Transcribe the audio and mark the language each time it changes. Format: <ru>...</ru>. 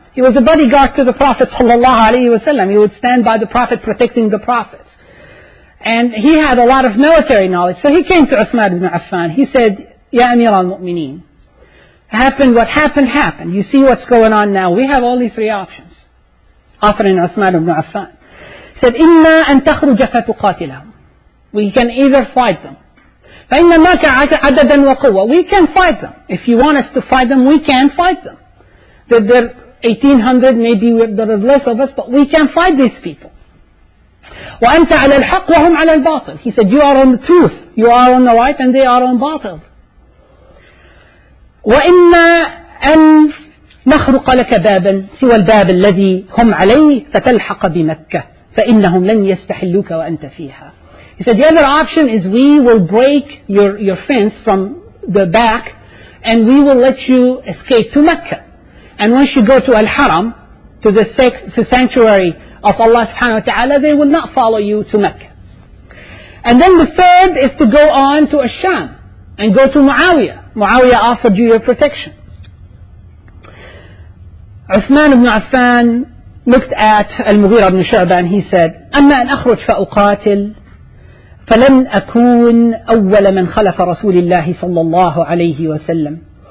<en>He was a bodyguard to the Prophet sallallahu alayhi wa sallam. He would stand by the Prophet, protecting the Prophet. And he had a lot of military knowledge. So he came to Uthman ibn Affan. He said, Ya Amir al-Mu'mineen, happened what happened, happened. You see what's going on now. We have only three options. Offering Uthman ibn Affan. Said,</en> <ar>إِنَّا أَن تَخْرُجَ فَتُقَاتِلَهُمْ.</ar> <en>We can either fight them.</en> <ar>فَإِنَّ مَاكَ عَدَدًا وَقُوَّةً.</ar> <en>We can fight them. If you want us to fight them, we can fight them. That they're 1800, maybe there are less of us, but we can fight these people.</en> <ar>وَأَنْتَ عَلَى الْحَقِّ وَهُمْ عَلَى الْبَاطِلِ.</ar> <en>He said, you are on the truth. You are on the right and they are on battle.</en> <ar>وَإِنَّا أَن نَخْرُقَ لَكَ بَابًا سِوَى الْبَابِ الَّذِي هُمْ عَلَيْهِ فَتَلْحَقَ بِمَكَّةِ فَإِنَّهُمْ لَنْ يَسْتَحِلُّكَ وَأَنْتَ فِيهَا.</ar> <en>He said, the other option is we will break your fence from the back and we will let you escape to Mecca. And once you go to Al-Haram, to the sanctuary of Allah subhanahu wa ta'ala, they will not follow you to Mecca. And then the third is to go on to Al-Sham and go to Muawiyah. Muawiyah offered you your protection. Uthman ibn Affan looked at Al-Mughira ibn Shu'bah and he said,</en> <ar>أَمَّا أَنْ أَخْرُجْ فَأُقَاتِلْ فَلَنْ أَكُونَ أَوَّلَ مَنْ خَلَفَ رَسُولِ اللَّهِ صَلَّى اللَّهُ عَلَيْهِ وَسَلَّمْ.</ar>